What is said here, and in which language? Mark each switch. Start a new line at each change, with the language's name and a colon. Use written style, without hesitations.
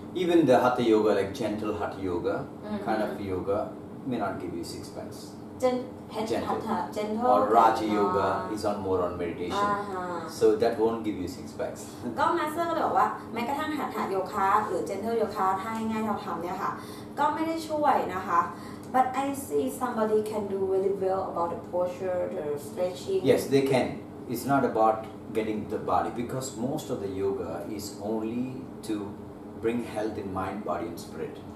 English: Even the hatha yoga like gentle hatha yoga kind of yoga may not give you six packs gentle or raja yoga is on more on meditation so that won't give you six packs
Thai: ก็ master ก็เลยบอกว่าแม้กระทั่ง hatha yoga หรือ gentle yoga ถ้าง่ายๆเราทำเนี่ยค่ะ ก็ไม่ได้ช่วยนะคะ
English: but I see somebody can do really well about the posture the stretching yes they can it's not about getting the body because most of the yoga is only to bring health in mind body and spirit